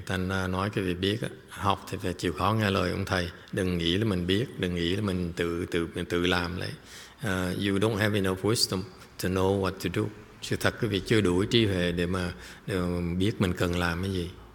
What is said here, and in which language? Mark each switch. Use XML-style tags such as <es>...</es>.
<vi>Thành nói cái việc biết, học thì phải chịu khó nghe lời ông thầy. Đừng nghĩ là mình biết, đừng nghĩ là mình tự làm lại.</vi> <en>You don't have enough wisdom to know what to do.</en> <vi>Sự thật quý vị chưa đủ trí huệ để biết mình cần làm cái gì.</vi>